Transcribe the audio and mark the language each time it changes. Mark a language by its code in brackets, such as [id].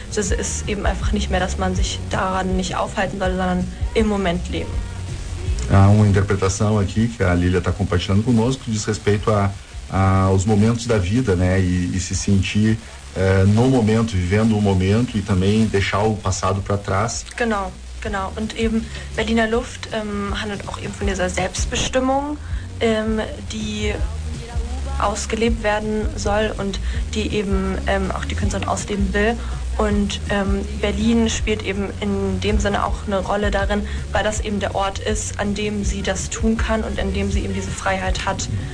[de] Das ist eben einfach nicht mehr, dass man sich daran nicht aufhalten soll, sondern im Moment leben. [pt] Há uma interpretação aqui que a Lilia está compartilhando conosco, diz respeito aos momentos da vida, né? E se sentir no momento, vivendo o momento e também deixar o passado para trás. [de] Genau. Genau, und eben Berliner Luft handelt auch eben von dieser Selbstbestimmung, die ausgelebt werden soll und die eben auch die Künstlerin ausleben will. Und Berlin spielt eben in dem Sinne auch eine Rolle darin, weil das eben der Ort ist, an dem sie das tun kann und in dem sie eben diese Freiheit hat.